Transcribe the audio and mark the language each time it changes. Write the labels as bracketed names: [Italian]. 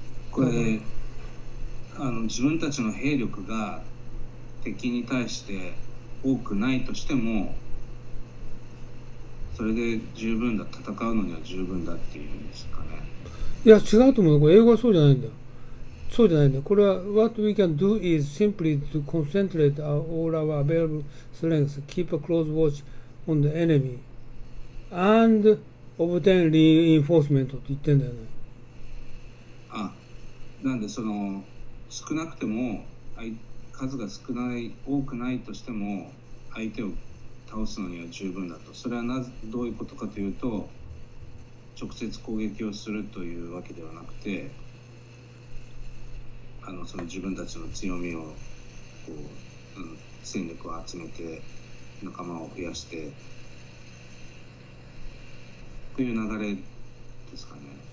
[Japanese] これ、自分たちの兵力が敵に対して多くないとしても、それで十分だ、戦うのには十分だっていうんですかね。いや、違うと思う。これ英語はそうじゃないんだよ。そうじゃないんだよ。これは、 [English] What we can do is simply to concentrate all our available strengths, keep a close watch on the enemy, and obtain reinforcement [Japanese] って言ってんだよね。なんで、その、少なくても数が少ない多くないとしても相手を倒すのには十分だと。それはなぜどういうことかというと、直接攻撃をするというわけではなくて、その自分たちの強みをこう、戦力を集めて仲間を増やしてという流れですかね。